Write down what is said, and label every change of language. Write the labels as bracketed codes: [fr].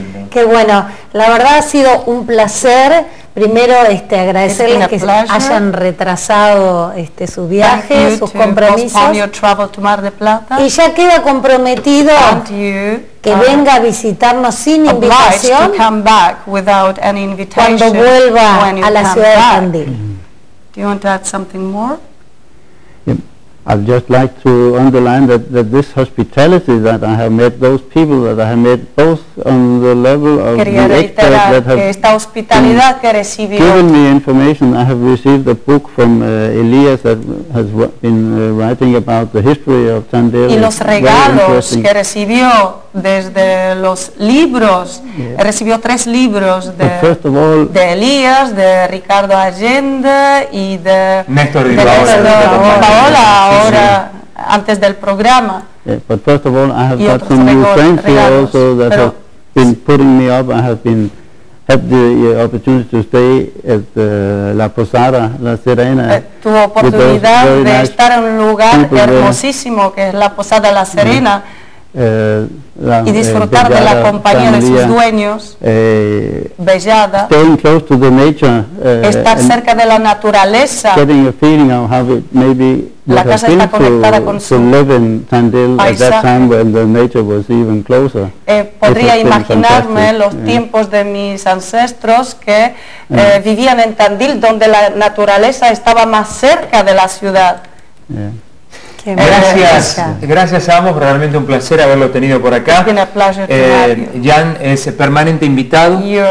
[es] Qué bueno, la verdad ha sido un placer. Primero, agradecerles que hayan retrasado su viaje, sus compromisos. Y ya queda comprometido que venga a visitarnos sin invitación cuando vuelva a la ciudad de Tandil. [en] Do you want to add something more? I'd just like to underline that this hospitality that I have met, those people that I have met, both on the level of given me information. I have received a book from Elias that has been writing about the history of Tandil. [es] Y los regalos que recibió desde los libros, yeah, recibió tres libros de Elias, de Ricardo Allende y de Néstor Paola. Antes del programa. [en] Yeah, but first of all, I have got some new friends here also that have been putting me up. I have been had the opportunity to stay at La Posada, La Serena. [es] Tu oportunidad de estar en un lugar hermosísimo que es La Posada La Serena, y disfrutar de la compañía de sus dueños, Bellada. [en] Staying close to the nature, [es] estar cerca de la naturaleza. [en] Getting a feeling of how it maybe [es] la casa está conectada con su [en] to live in Tandil at that time when the nature was even closer. [es] Podría imaginarme los tiempos de mis ancestros que vivían en Tandil, donde la naturaleza estaba más cerca de la ciudad. Yeah. Gracias, gracias a ambos, realmente un placer haberlo tenido por acá. Jan es permanente invitado.